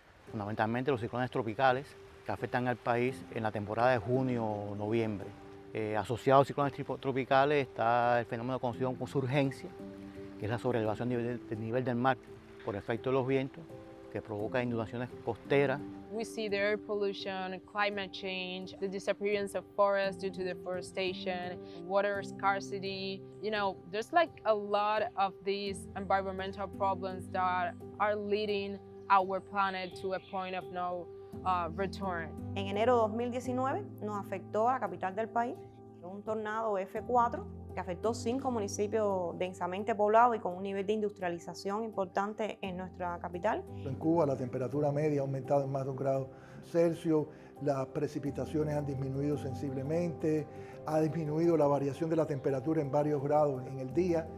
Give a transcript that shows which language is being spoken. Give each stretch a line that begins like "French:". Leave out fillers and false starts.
Spanish: Fundamentalmente los ciclones tropicales que afectan al país en la temporada de junio o noviembre. Asociado a ciclones tropicales está el fenómeno conocido como surgencia, que es la sobreelevación del nivel del mar por efecto de los vientos, que provoca inundaciones costeras.
English: We see the air pollution, climate change, the disappearance of forests due to deforestation, water scarcity. You know, there's like a lot of these environmental problems that are leading our planet to a point of no return.
Spanish: En enero 2019 nos afectó a la capital del país un tornado F4 que afectó 5 municipios densamente poblados y con un nivel de industrialización importante en nuestra capital. En Cuba la temperatura media ha aumentado en más de un grado Celsius, las precipitaciones han disminuido sensiblemente, ha disminuido la variación de la temperatura en varios grados en el día.